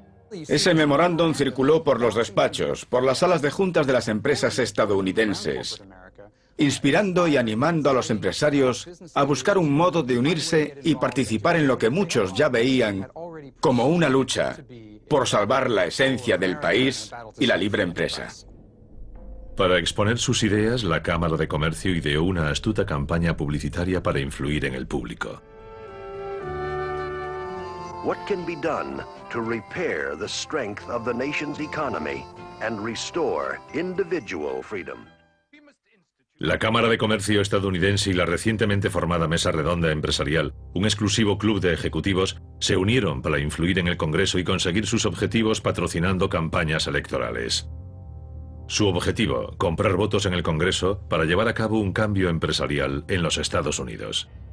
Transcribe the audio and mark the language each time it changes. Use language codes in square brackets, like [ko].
[es] Ese memorándum circuló por los despachos, por las salas de juntas de las empresas estadounidenses, inspirando y animando a los empresarios a buscar un modo de unirse y participar en lo que muchos ya veían como una lucha por salvar la esencia del país y la libre empresa. Para exponer sus ideas, la Cámara de Comercio ideó una astuta campaña publicitaria para influir en el público. [en] What can be done to repair the strength of the nation's economy and restore individual freedom? [es] La Cámara de Comercio estadounidense y la recientemente formada Mesa Redonda Empresarial, un exclusivo club de ejecutivos, se unieron para influir en el Congreso y conseguir sus objetivos patrocinando campañas electorales. Su objetivo, comprar votos en el Congreso para llevar a cabo un cambio empresarial en los Estados Unidos.